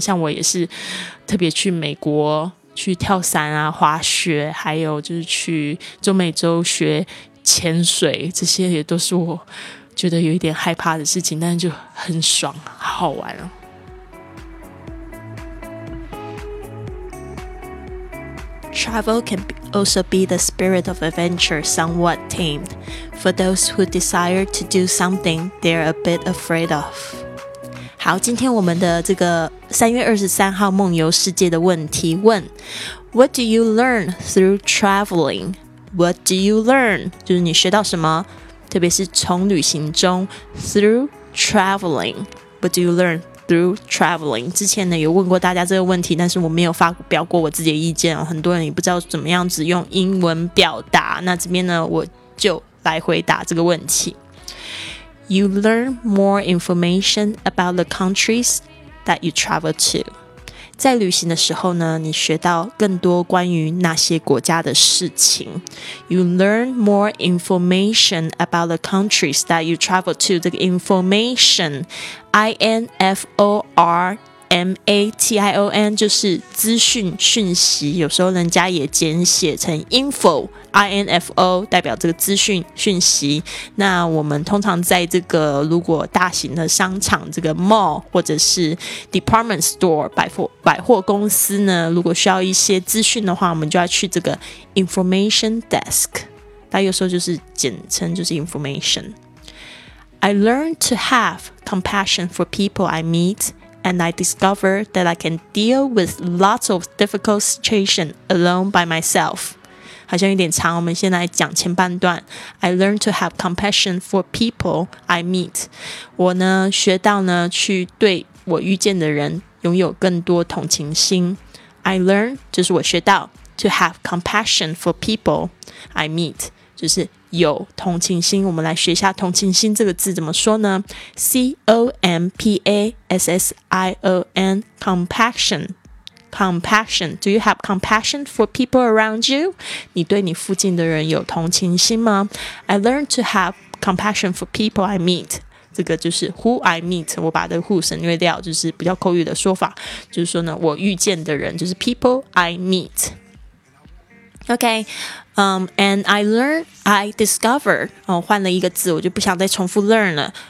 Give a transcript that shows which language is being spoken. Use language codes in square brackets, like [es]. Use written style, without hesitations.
[zh] 像我也是特别去美国去跳伞啊、滑雪，还有就是去中美洲学潜水，这些也都是我觉得有一点害怕的事情，但是就很爽，好好玩哦。 [en] Travel can also be the spirit of adventure somewhat tamed for those who desire to do something they're a bit afraid of. [zh] 好，今天我们的这个3月23号梦游世界的问题问， [en] What do you learn through traveling? What do you learn? [zh] 就是你学到什么，特别是从旅行中 [en] through traveling. What do you learn through traveling? [zh] 之前呢有问过大家这个问题，但是我没有发表过我自己的意见，很多人也不知道怎么样子用英文表达，那这边呢我就来回答这个问题。 [en] You learn more information about the countries that you travel to. [zh] 在旅行的时候呢，你学到更多关于那些国家的事情。 [en] You learn more information about the countries that you travel to. [zh] 这个 information, I-N-F-O-R-M-A-T-I-O-N, 就是资讯讯息，有时候人家也简写成 info, I-N-F-O, 代表这个资讯讯息。那我们通常在这个如果大型的商场，这个 mall, 或者是 department store, 百货公司呢，如果需要一些资讯的话，我们就要去这个 information desk, 它有时候就是简称就是 information. [en] I learned to have compassion for people I meetAnd I discover that I can deal with lots of difficult situations alone by myself. [zh] 好像有点长，我们先来讲前半段。 [en] I learn to have compassion for people I meet. [zh] 我呢，学到呢，去对我遇见的人拥有更多同情心。 I learn, 就是我学到 [en] to have compassion for people I meet. [zh] 就是有同情心，我们来学一下同情心这个字怎么说呢？ [en] C-O-M-P-A-S-S-I-O-N, compassion. Compassion. Do you have compassion for people around you? [zh] 你对你附近的人有同情心吗？ [en] I learned to have compassion for people I meet. [zh] 这个就是 who I meet. 我把这个 who 省略掉，就是比较口语的说法，就是说呢，我遇见的人就是 [en] people I meet. Okay, and I learn, I discover, [zh] 换了一个字，我就不想再重复 learn 了。